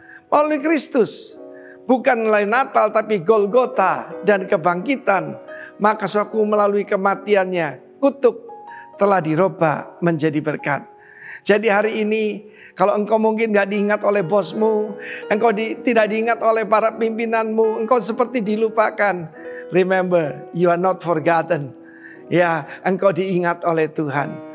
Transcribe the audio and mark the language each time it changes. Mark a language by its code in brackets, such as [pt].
[id] Melalui Kristus. Bukan melalui Natal tapi Golgota dan kebangkitan. Maka suku melalui kematiannya, kutuk telah dirubah menjadi berkat. Jadi hari ini, kalau engkau mungkin gak diingat oleh bosmu, engkau tidak diingat oleh para pimpinanmu, engkau seperti dilupakan. [en] Remember, you are not forgotten. [id] Ya, engkau diingat oleh Tuhan.